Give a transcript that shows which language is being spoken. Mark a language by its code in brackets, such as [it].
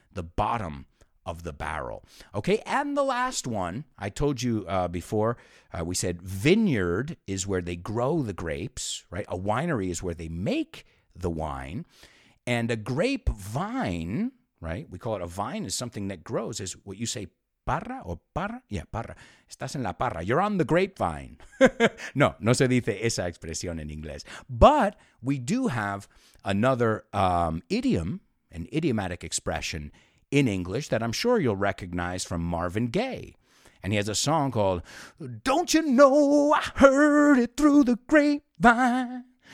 [en] The bottom of the barrel. OK. And the last one I told you before, we said vineyard is where they grow the grapes. Right. A winery is where they make the wine, and a grape vine. Right. We call it a vine is something that grows is what you say. [es] Parra or parra? Yeah, parra. Estás en la parra. [en] You're on the grapevine. [es] No, no se dice esa expresión en inglés. [en] But we do have another idiom, an idiomatic expression in English that I'm sure you'll recognize from Marvin Gaye. And he has a song called, Don't You Know I Heard It Through the Grapevine?